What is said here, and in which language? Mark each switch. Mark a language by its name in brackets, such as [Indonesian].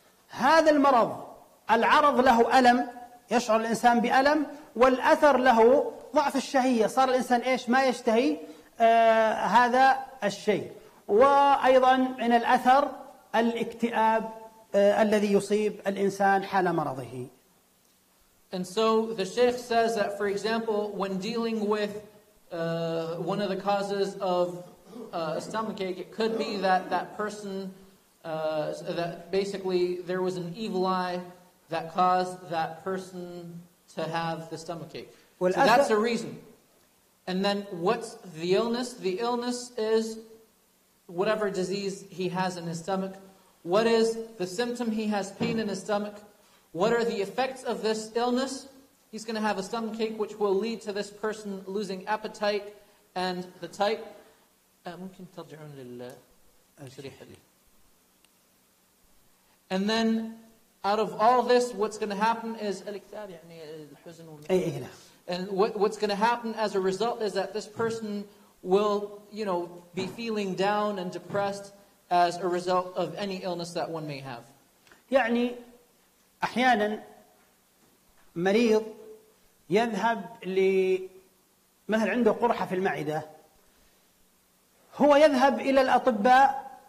[Arabic] هذا المرض العرض له ألم، يشعر الإنسان بألم، والأثر له ضعف الشهية، صار الإنسان إيش ما يشتهي هذا الشيء. وأيضا من الأثر الاكتئاب الذي يصيب الإنسان حال مرضه. [English] And so the Sheikh says that, for example, when dealing with one of the causes of a stomach ache, it could be that that person, that basically there was an evil eye that caused that person to have the stomach ache. Well, so that's a reason. And then what's the illness? The illness is whatever disease he has in his stomach. What is the symptom? He has pain in his stomach. What are the effects of this illness? He's going to have a stomachache, which will lead to this person losing appetite and the type. [Arabic] ممكن ترجعون للشريحة دي. [English] And then, out of all this, what's going to happen is [Arabic] الاكتئاب يعني الحزن والمشاكل. [English] And what's going to happen as a result is that this person will, you know, be feeling down and depressed as a result of any illness that one may have. [Arabic] يعني أحيانا مريض يذهب لمثل عنده قرحة في المعدة، هو يذهب إلى الأطباء